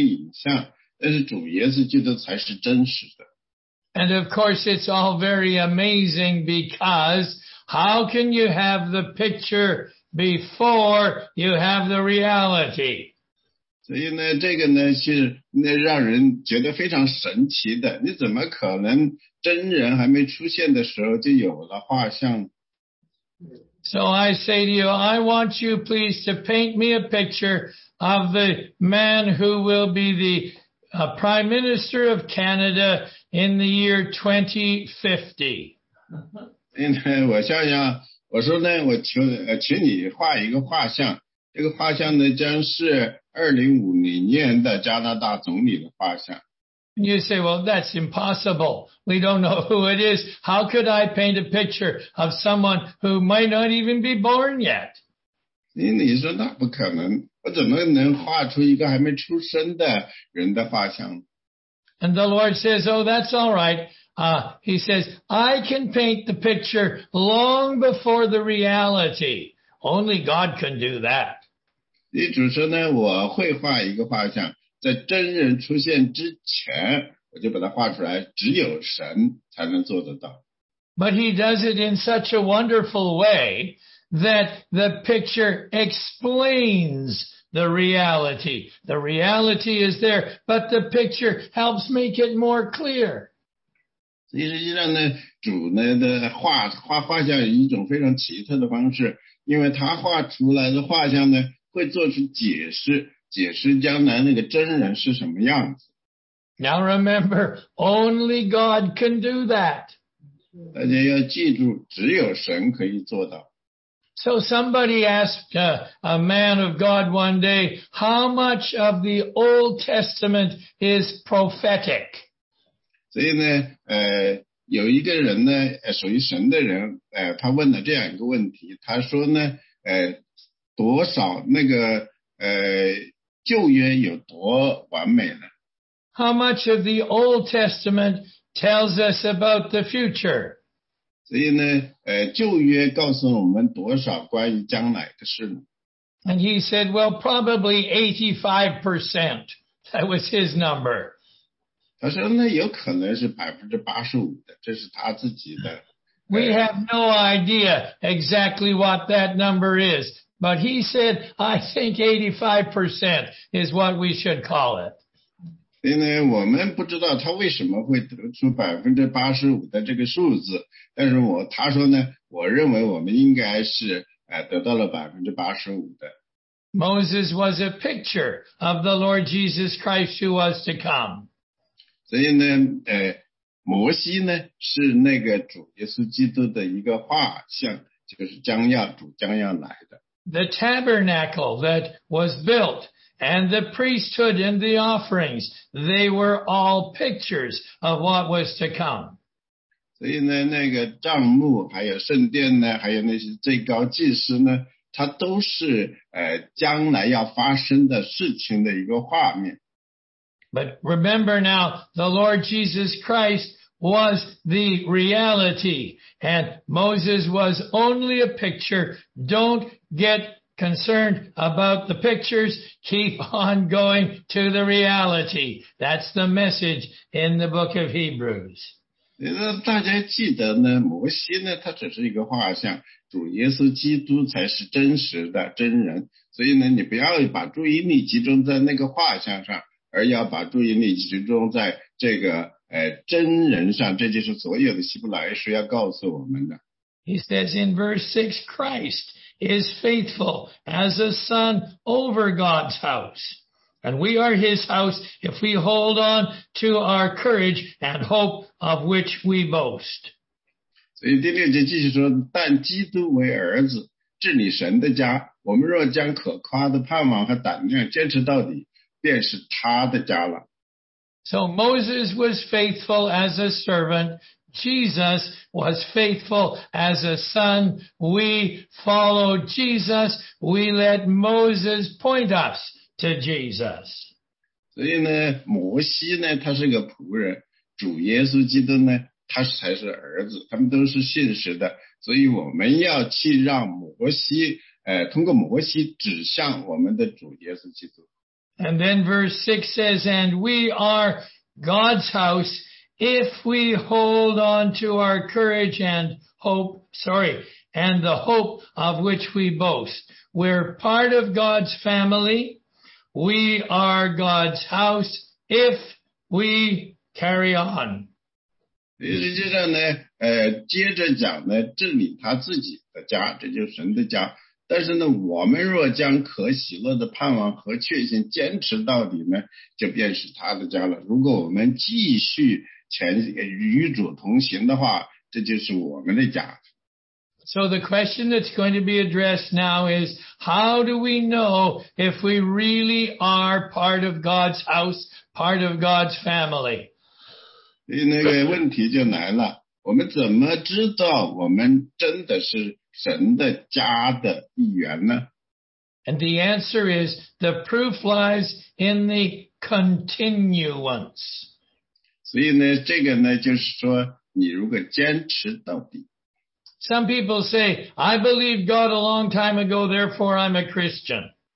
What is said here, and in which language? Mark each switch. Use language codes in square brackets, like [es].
[zh] 因为在旧约里面那些所有的伟大的人物呢,他们只是主耶稣基督的一个影像,但是主耶稣基督才是真实的。 [en] And of course it's all very amazing because how can you have the picture before you have the reality? [zh] 所以呢,这个呢,是让人觉得非常神奇的。你怎么可能真人还没出现的时候就有了画像? [en] So I say to you, I want you please to paint me a picture of the man who will be the Prime Minister of Canada in the year 2050. [zh] 我想想, 我说呢，我 请你画一个画像，这个画像呢将是2050年的加拿大总理的画像。 [en] And you say, well, that's impossible. We don't know who it is. How could I paint a picture of someone who might not even be born yet? [zh] 你说那不可能，我怎么能画出一个还没出生的人的画像？ [en] And the Lord says, oh, that's all right. He says, I can paint the picture long before the reality. Only God can do that. [zh] 你主说呢，我会画一个画像。在真人出现之前，我就把它画出来，只有神才能做得到。 [en] But he does it in such a wonderful way that the picture explains the reality. The reality is there, but the picture helps make it more clear. [zh] 所以实际上呢，主呢的画像有一种非常奇特的方式，因为他画出来的画像呢，会做出解释。解释将来那个真人是什么样子。 [en] Now remember, only God can do that. [zh] 大家要记住，只有神可以做到。 [en] So somebody asked a man of God one day, how much of the Old Testament is prophetic? [zh] 所以呢，有一个人呢，属于神的人，他问了这样一个问题，他说呢，多少那个旧约有多完美呢？ [en] How much of the Old Testament tells us about the future? [zh] 所以呢，旧约告诉我们多少关于将来的事呢？ [en] And he said, well, probably 85%. That was his number. [zh] 他说呢，有可能是 85% 的，这是他自己的。 [en] We have no idea exactly what that number is. But he said, I think 85% is what we should call it. [zh] 因为我们不知道他为什么会得出 85% 的这个数字，但是他说呢，我认为我们应该是得到了 85% 的。 [en] Moses was a picture of the Lord Jesus Christ who was to come. [zh] 所以呢，摩西呢，是那个主耶稣基督的一个画像，就是主将要来的。 [en] The tabernacle that was built and the priesthood and the offerings, they were all pictures of what was to come. [zh] 所以呢，那个帐幕还有圣殿呢，还有那些最高祭司呢，它都是将来要发生的事情的一个画面。 [en] But remember now, the Lord Jesus Christ was the reality, and Moses was only a picture. Don't get concerned about the pictures. Keep on going to the reality. That's the message in the book of Hebrews. [zh] 大家记得呢，摩西呢，他只是一个画像，主耶稣基督才是真实的真人。所以呢，你不要把注意力集中在那个画像上，而要把注意力集中在这个真人上，这就是所有的希伯来书要告诉我们的。 [en] He says in verse 6, Christ is faithful as a son over God's house. And we are his house if we hold on to our courage and hope of which we boast. [zh] 所以第六节继续说，但基督为儿子，治理神的家，我们若将可夸的盼望和胆量坚持到底，便是他的家了。 [en] So Moses was faithful as a servant. Jesus was faithful as a son. We follow Jesus. We let Moses point us to Jesus. [zh] 所以呢，摩西呢，他是个仆人。主耶稣基督呢，他才是儿子。他们都是信实的。所以我们要去让摩西，通过摩西指向我们的主耶稣基督。 [en] And then verse 6 says, and we are God's house if we hold on to our courage and hope, and the hope of which we boast. We're part of God's family. We are God's house if we carry on. [zh] 实际上呢，接着讲呢，治理他自己的家，这就是神的家。但是呢，我们若将可喜乐的盼望和确信坚持到底呢，就便是他的家了。如果我们继续与主同行的话，这就是我们的家。 [en] So the question that's going to be addressed now is, how do we know if we really are part of God's house, part of God's family? [zh] 那个问题就来了，我们怎么知道我们真的是神的家的一员呢？ [en] And the answer is, the proof lies in the continuance. [zh] 所以呢，这个呢，就是说，你如果坚持到底。 [en] Some people say, I believed God a long time ago, therefore I'm a Christian.